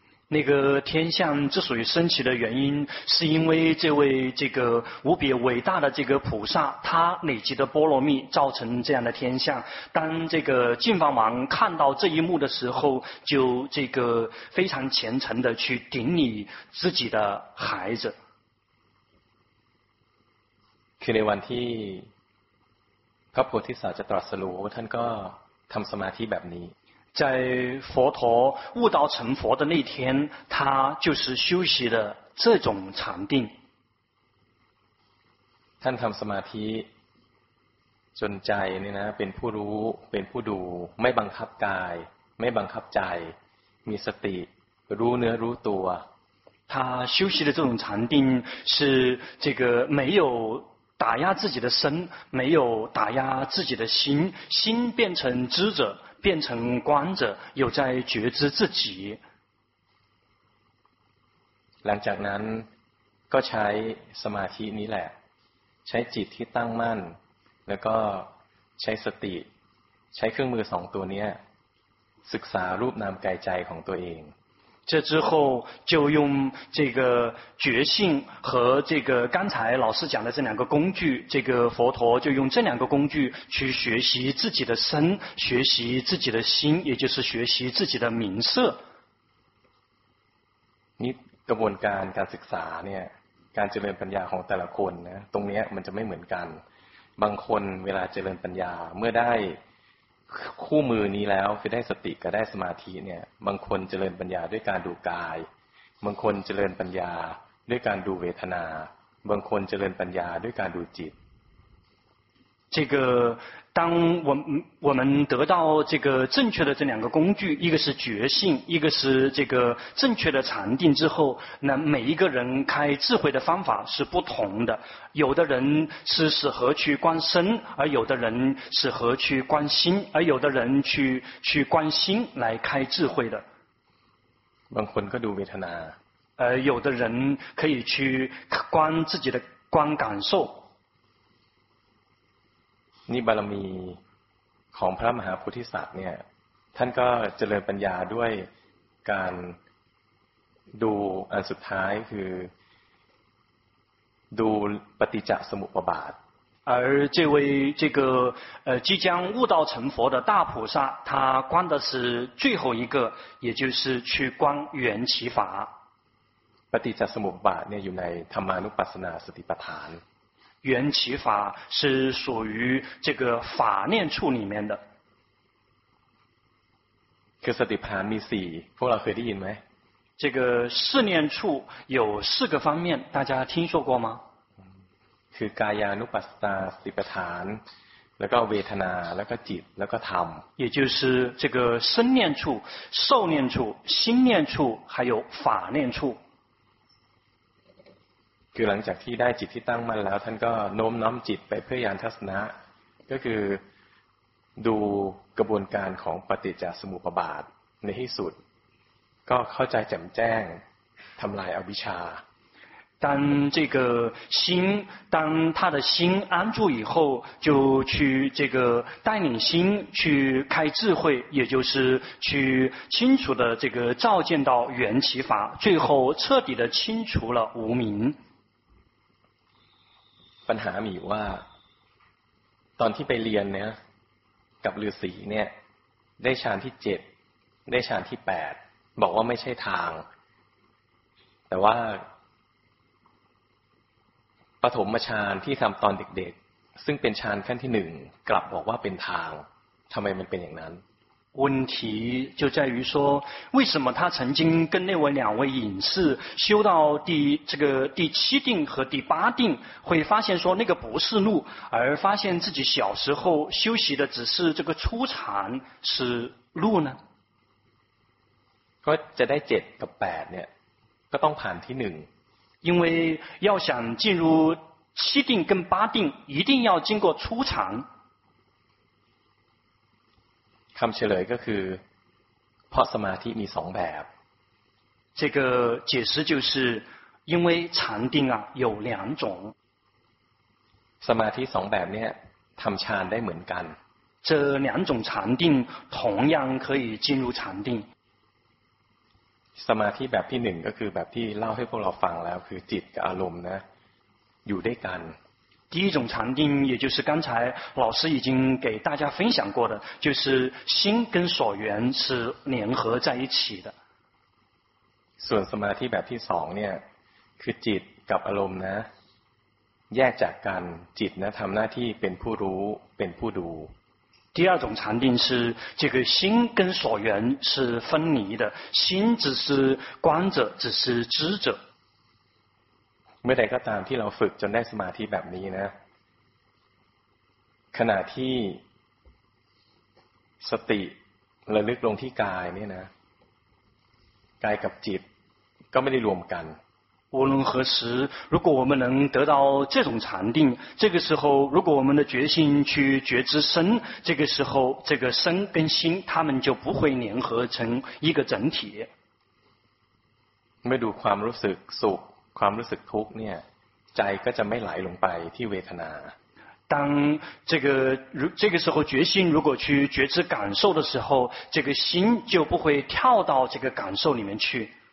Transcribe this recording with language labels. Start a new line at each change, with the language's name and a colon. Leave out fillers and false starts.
Chinese: 那个天象之所以升起的原因是因为这位这个无比伟大的这个菩萨他累积的波罗蜜造成这样的天象当这个净饭王看到这一幕的时候就这个非常虔诚的去顶礼自己的孩子
Thai: คือในวันที่พระโพธิสัตว์จะตรัสรู้ท่านก็ทำสมาธิแบบนี้
Chinese: 在佛陀悟道成佛的那天他就是修习的这种禅定
Thai: ท่านทำสมาธิจนใจนี่นะเป็นผู้รู้เป็นผู้ดูไม่บังคับกายไม่บังคับใจมีสติรู้เนื้อรู้ตัว
Chinese: 他修习的这种禅定是这个没有打压自己的身没有打压自己的心心变成知者变成观者有在觉知自己
Thai: หลังจากนั้นก็ใช้สมาธินี้แหละใช้จิตที่ตั้งมั่นแล้วก็ใช้สติใช้เครื่องมือสองตัวนี้ศึกษารูปนามกายใจของตัวเอง
Chinese: 这之后就用这个觉性和这个刚才老师讲的这两个工具这个佛陀就用这两个工具去学习自己的身学习自己的心也就是学习自己的名色
Thai: นี่กระบวนการการศึกษาเนี่ยการเจริญปัญญาของแต่ละคนนะตรงนี้มันจะไม่เหมือนกันบางคนเวลาเจริญปัญญาเมื่อได้คู่มือนี้แล้วคือได้สติก็ได้สมาธิเนี่ยบางคนเจริญปัญญาด้วยการดูกายบางคนเจริญปัญญาด้วยการดูเวทนาบางคนเจริญปัญญาด้วยการดูจิต
Chinese: 这个当我们得到这个正确的这两个工具一个是觉性一个是这个正确的禅定之后那每一个人开智慧的方法是不同的有的人是适合去观身而有的人适合去观心而有的人去观心来开智慧的
Thai: บางคนก็ดูเวทนา
Chinese: 有的人可以去观自己的观感受
Thai: นี่บารมีของพระมหาโพธิสัตว์เนี่ยท่านก็เจริญปัญญาด้วยการดูอันสุดท้ายคือดูปฏิจจสมุปบาท
Chinese: 而这位这个即将悟道成佛的大菩萨他观的是最后一个也就是去观缘起法
Thai: ปฏิจจสมุปบาทเนี่ยอยู่ในธรรมานุปัสสนาสติปัฏฐาน
Chinese: 缘起法是属于这个法念处里面的
Thai: คือสติปัฏฐานมี4พวกเราเคยได้ยินไหม
Chinese: 这个四念处有四个方面大家听说过吗
Thai: คือกายานุปัสสนาสติปัฏฐานแล้วก็เวทนาแล้วก็จิตแล้วก็ธรรม
Chinese: 也就是这个身念处受念处心念处还有法念处
Thai: คือหลังจากที่ได้จิตที่ตั้งมั่นแล้วท่านก็โน้มน้อมจิตไปเพื่อญาณทัศนะก็คือดูกระบวนการของปฏิจจสมุปบาทในที่สุดก็เข้าใจแจ่มแจ้งทำลายอวิชชา
Chinese: 当这个心当他的心安住以后就去这个带领心去开智慧也就是去清楚的这个照见到缘起法最后彻底的清除了无明
Thai: ปัญหามีว่าตอนที่ไปเรียนเนี่ยกับฤาษีเนี่ยได้ฌานที่7ได้ฌานที่8บอกว่าไม่ใช่ทางแต่ว่าปฐมฌานที่ทำตอนเด็กๆซึ่งเป็นฌานขั้นที่1กลับบอกว่าเป็นทางทำไมมันเป็นอย่างนั้น
Chinese: 问题就在于说，为什么他曾经跟那位两位隐士修到第七定和第八定，会发现说那个不是路，而发现自己小时候修习的只是这个初禅是路呢？
Thai: ก็จะได้เจ็ดกับแปดเนี่ยก็ต้องผ่านที่หนึ่ง
Chinese: 因为要想进入七定跟八定一定要经过初禅
Thai: คำเฉลยก็คือเพราะสมาธิมีสองแบบ
Chinese: 这个解释就是因为禅定啊有两种
Thai: สมาธิสองแบบเนี่ยทำฌานได้เหมือนกัน
Chinese: 这两种禅定同样可以进入禅定
Thai: สมาธิแบบที่หนึ่งก็คือแบบที่เล่าให้พวกเราฟังแล้วคือจิตกับอารมณ์นะอยู่ด้วยกัน
Chinese: 第一种禅定也就是刚才老师已经给大家分享过的就是心跟所缘是联合在一起的
Thai: ส่วนสมาธิแบบที่สองเนี่ยคือจิตกับอารมณ์นะแยกจากกันจิตนะทำหน้าที่เป็นผู้รู้เป็นผู้ดู
Chinese: 第二种禅定是这个心跟所缘是分离的，心只是观者，只是知者。
Thai: เมื่อใดก็ตามที่เราฝึกจนได้สมาธิแบบนี้นะขณะที่สติระลึกลงที่กายเนี่ยนะกายกับจิตก็ไม่ได้รวมกัน
Chinese: 无论何时如果我们能得到这种禅定这个时候如果我们的决心去觉知身这个时候这个身跟心他们就不会联合成一个整体
Thai: ไม่ดูความรู้สึกสุขความรู้สึกทุกข์เนี่ยใจก็จะไม่ไหลลงไปที่เวทนา
Chinese: 当这个时候决心如果去觉知感受的时候这个心就不会跳到这个感受里面去